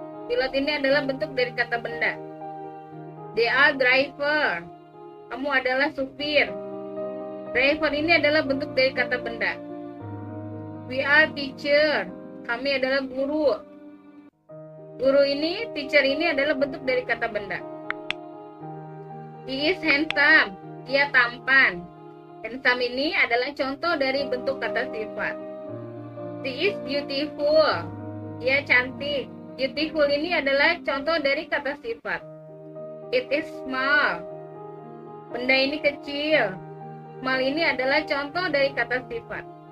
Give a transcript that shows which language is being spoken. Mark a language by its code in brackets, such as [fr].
[id] Pilot ini adalah bentuk dari kata benda. [en] They are driver, [id] kamu adalah supir. Driver ini adalah bentuk dari kata benda. [en] We are teacher, [id] kami adalah guru. Guru ini, teacher ini adalah bentuk dari kata benda. [en] He is handsome, [id] dia tampan. Handsome ini adalah contoh dari bentuk kata sifat. [en] She is beautiful, [id] dia cantik. Beautiful ini adalah contoh dari kata sifat. [en] It is small, [id] benda ini kecil. Small ini adalah contoh dari kata sifat.